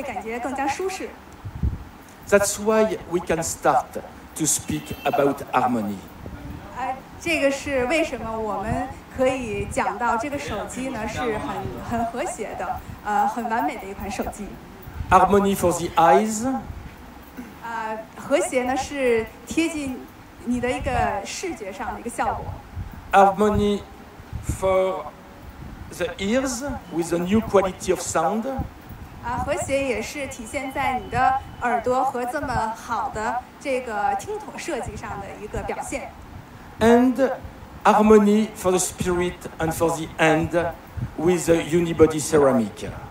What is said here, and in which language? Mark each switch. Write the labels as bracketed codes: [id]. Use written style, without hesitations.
[zh] 因为18:9这个比例呢，是更加贴合自然的一个比例，让人们去在使用它的时候会感觉更加舒适。 [en] That's why we can start to speak about harmony. [zh] 这个是为什么我们可以讲到这个手机呢，是很和谐的，很完美的一款手机。 [en] Harmony for the eyes. [zh] 和谐呢是贴近。 [en] Harmony for the ears with a new quality of sound. [zh] 和谐也是体现在你的耳朵和这么好的这个听筒设计上的一个表现. [en] And harmony for the spirit and for the end with a unibody ceramic.